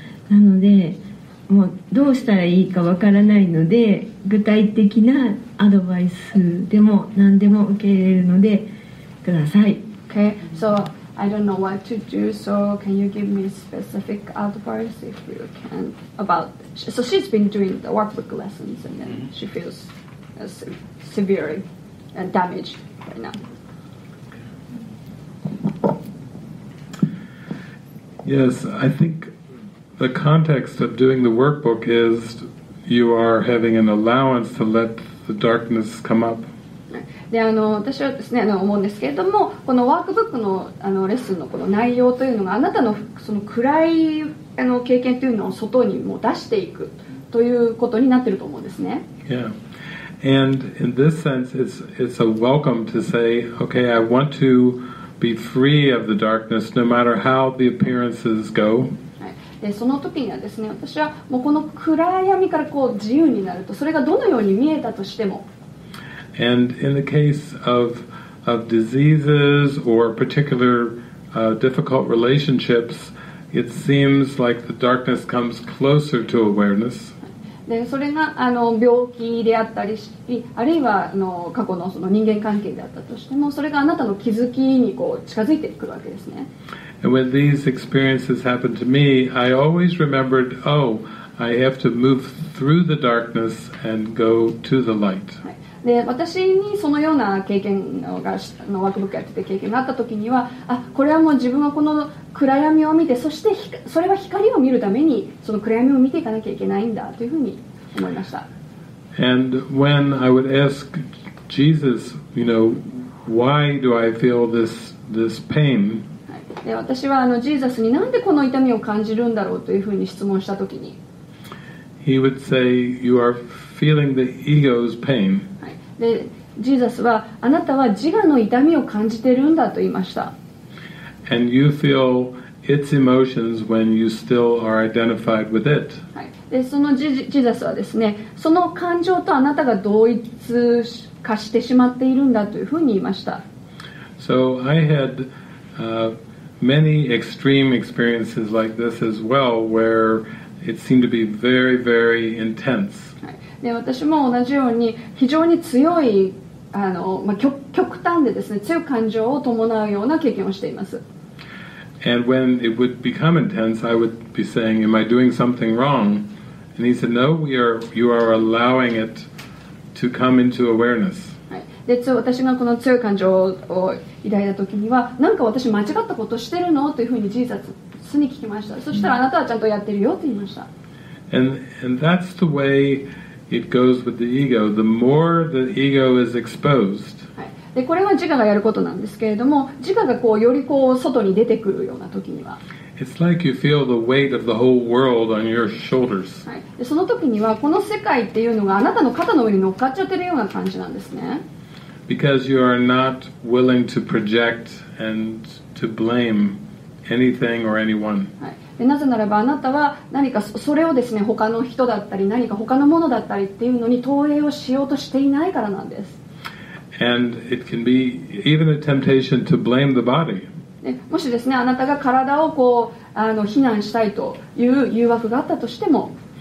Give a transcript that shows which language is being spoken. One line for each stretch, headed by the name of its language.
Japanese: なのでもうどうしたらいいかわからないので、具体的なアドバイスでも何でも受け入れるのでください。
English: Okay, soI don't know what to do, so can you give me specific advice if you can about? So she's been doing the workbook lessons, and then she feels severely damaged right now. Yes, I think the context of doing the workbook is you are having an allowance to let the darkness come up.
Japanese: で私はですね思うんですけれども、このワークブック のレッスンのこの内容というのがあなた その暗い経験というのを外にも出していくということになっていると思うんですね。
English: Yeah. And in this sense it's a welcome to say, okay, I want to be free of the darkness, no matter how the appearances go.
Japanese: でその時にはですね、私はもうこの暗闇からこう自由になると、それがどのように見えたとしても。
English: And in the case of diseases or particular difficult relationships, it seems like the darkness comes closer to awareness.
Japanese: でそれがあの病気であったりし、あるいはあの過去 の, その人間関係であったとしても、それがあなたの気づきにこう近づいてくるわけですね。
English: And when these experiences happened to me, I always remembered, oh, I have to move through the darkness and go to the light.、
Japanese: はい、で私にそのような経験が、のワークブックやってて経験があったときには、あ、これはもう自分はこの暗闇を見て、そしてそれは光を見るためにその暗闇を見ていかなきゃいけないんだというふうに思いました。
English: And when I would ask Jesus, you know, why do I feel this pain?
Japanese: で私はあのジーザスになんでこの痛みを感じるんだろうというふうに質問したときに、
English: He would say, you are feeling the ego's pain.
Japanese: でジーザスはあなたは自我の痛みを感じているんだと言いました。
English: And you feel its emotions when you still are identified with it.
Japanese: でそのジーザスはですね、その感情とあなたが同一化してしまっているんだというふうに言いました。
English: So I had, many extreme experiences like this as well, where it seemed to be very, very intense.
Japanese: で私も同じように非常に強いあの、まあ、極端でですね、強い感情を伴うような経験をしています。
English: And when it would become intense, I would be saying, "Am I doing something wrong?" And he said, "No, you are allowing it to come into awareness."
Japanese: で私がこの強い感情を抱いた時には、なんか私間違ったことしてるのというふうにジーザスに聞きました。そしたらあなたはちゃんとやってるよと言いました。
English: And that's the way it goes with the ego. The more the ego is exposed,、
Japanese: はい、でこれは自我がやることなんですけれども、自我がこうよりこう外に出てくるような時には、
English: It's like you feel the weight of the whole world on your shoulders.、
Japanese: はい、でその時にはこの世界っていうのがあなたの肩の上に乗っかっちゃってるような感じなんですね。
English: Because you are not willing to project and to blame anything or anyone.
Japanese: はい。なぜならばあなたは何かそれをですね、他の人だったり何か他のものだったりっていうのに投影をしようとしていないからなんです。
English: And it can be even a temptation to blame the body.
Japanese: もしですね、あなたが体をこうあの非難したいという誘惑があったとしても。